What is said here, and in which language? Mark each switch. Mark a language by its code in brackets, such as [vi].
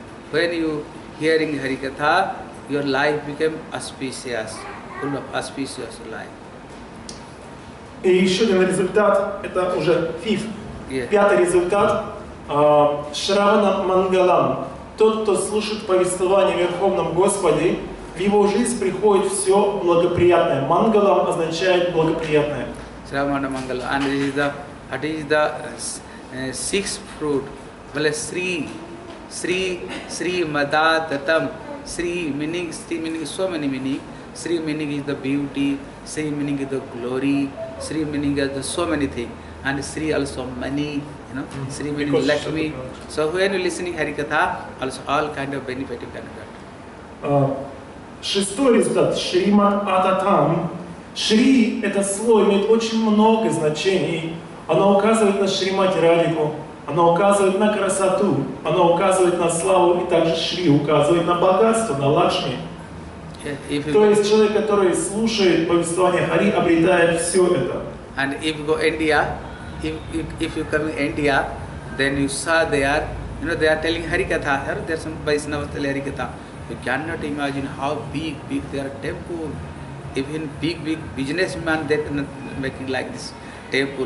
[en] When you hearing Harikatha, your life became auspicious, full of auspicious life. [ru] И еще один результат, это уже [en] fifth, yeah. [ru] Пятый результат, Шравана Мангалам. Тот, кто слушает повествование о Верховном Господе, в его жизнь приходит все благоприятное. Мангалам означает благоприятное. Шравана Мангалам. [en] And it is the sixth fruit, plus three. Sri Madatatam, Sri meaning so many meaning. Sri meaning is the beauty, Sri meaning is the glory, Sri meaning is the so many things. And Sri also money, you know, mm-hmm. Sri meaning because Lakshmi. So when you're listening Harikatha, also all kind of benefit you can get. [ru] Шестой результат, Sri Madatatam. Sri, это слово, имеет очень много значений. Оно указывает на Шримати Радику. Оно указывает на красоту, оно указывает на славу, и также Шри указывает на богатство, на лакшми. То есть человек, который слушает повествование Хари, обретает все это. [en] And if you go India, if you come in India, then you saw they are telling Harikatha, there are some Vaishnavas telling Harikatha. You cannot imagine how big their temple. Even big businessman, they are not making like this temple.